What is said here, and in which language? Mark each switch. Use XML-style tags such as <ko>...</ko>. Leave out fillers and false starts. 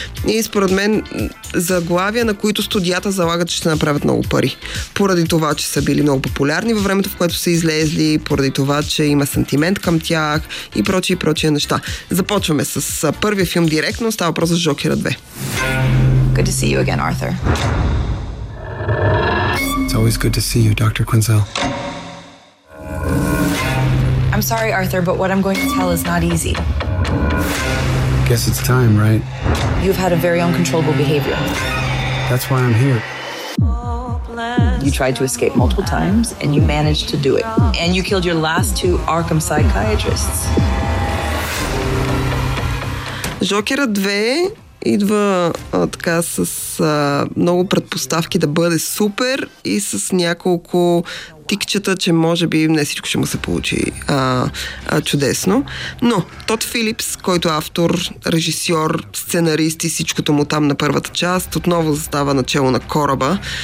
<bg>И според мен заглавия, на които студията залагат, че ще направят много пари. Поради това, че са били много популярни във времето, в което са излезли, поради това, че има сантимент към тях и прочие и прочие неща. Започваме с първия филм директно. Става въпрос за Джокера 2.</bg> <en>Good to see you again, Arthur. It's always good to see you, Dr. Quinzel. I'm sorry, Arthur, but what I'm going to tell is not easy. I guess it's time, right? You've had a very uncontrollable behavior. That's why I'm here. You tried to escape multiple times, and you managed to do it. And you killed your last two Arkham psychiatrists.</en> <bg>Джокера 2 идва така с много предпоставки да бъде супер и с няколко тикчета, че може би не всичко ще му се получи чудесно. Но Тод Филипс, който е автор, режисьор, сценарист и всичкото му там на първата част, отново застава начело на кораба.</bg>